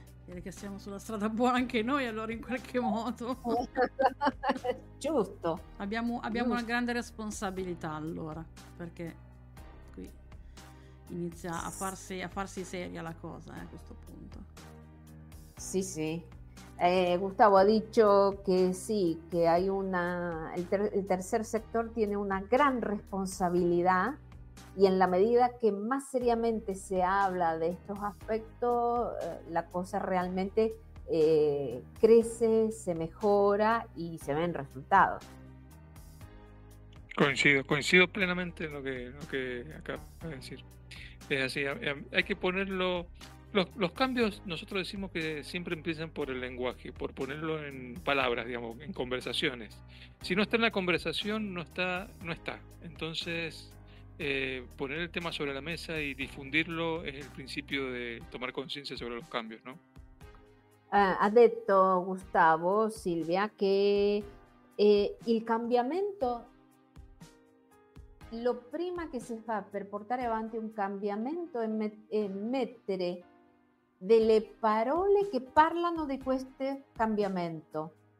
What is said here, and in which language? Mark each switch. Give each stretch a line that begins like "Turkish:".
Italian: dire che siamo sulla strada buona anche noi, allora in qualche modo. Giusto. Abbiamo giusto. Una grande responsabilità allora, perché qui inizia a farsi seria la cosa, a questo punto. Sì, sì.
Spanish: Gustavo ha dicho que sí, que hay una, el tercer sector tiene una gran responsabilidad, y en la medida que más seriamente se habla de estos aspectos, la cosa realmente crece, se mejora y se ven resultados. Coincido plenamente en lo que acabo de decir. Es así, hay que ponerlo. Los cambios, nosotros decimos que siempre empiezan por el lenguaje, por ponerlo en palabras, digamos, en conversaciones. Si no está en la conversación, no está. Entonces, poner el tema sobre la mesa y difundirlo es el principio de tomar conciencia sobre los cambios, ¿no?
Italian: Ha detto Gustavo, Silvia, que el cambiamento, lo prima que se fa per portare avanti un cambiamento es mettere delle parole che parlano di questo cambiamento.